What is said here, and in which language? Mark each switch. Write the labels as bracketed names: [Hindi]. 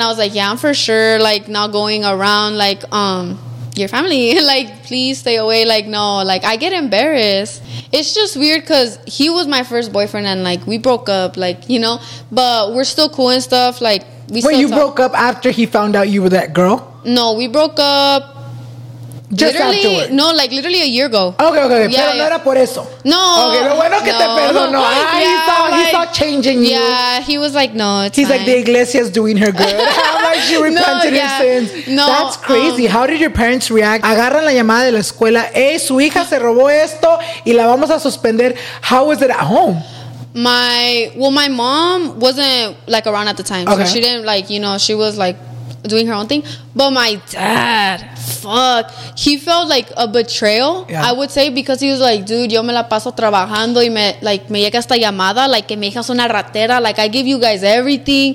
[English] And I was like, yeah, I'm for sure, like, not going around, like, your family, like, please stay away, like, no, like, I get embarrassed. It's just weird because he was my first boyfriend and, like, we broke up, like, you know, but we're still cool and stuff, like, we, wait, still, you talk. Broke up after he found out you were that girl? No, we broke up just literally afterwards. No, like, literally a year ago. [Spanish] Okay yeah, pero yeah. No era por eso. [English] No, [Spanish] okay, lo bueno que no, te perdono. Ah, yeah, [English] he saw changing you. Yeah, he was like, no, it's, he's fine. Like, the iglesia's doing her good. She repented, no, yeah, her sins. No, that's crazy. How did your parents react? [Spanish] Agarran la llamada de la escuela. Hey, su hija se robó esto y la vamos a suspender. [English] How was it at home? My mom wasn't, like, around at the time. Okay. So she didn't, like, you know, she was, like, doing her own thing. But my dad, fuck, he felt like a betrayal, yeah, I would say, because he was like, dude, [Spanish] yo me la paso trabajando y me, like, me llega esta llamada, like, que mi hija es una ratera, like, [English] I give you guys everything.